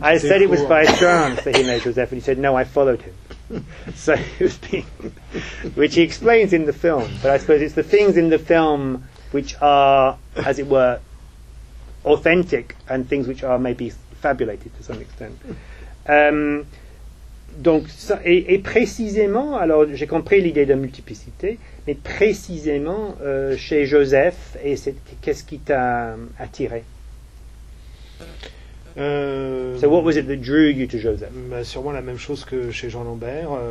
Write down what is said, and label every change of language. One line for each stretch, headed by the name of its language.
English: I said it was by chance that he met Joseph, and he said, no, I followed him. So it was being, which he explains in the film, but I suppose it's the things in the film which are, as it were, authentic and things which are maybe fabulated to some extent.
French: Donc, ça, et précisément, alors j'ai compris l'idée de multiplicité, mais précisément chez Joseph, et c'est, qu'est-ce qui t'a attiré?
English: So what was it that drew you to Joseph?
French: Bah, sûrement la même chose que chez Jean Lambert.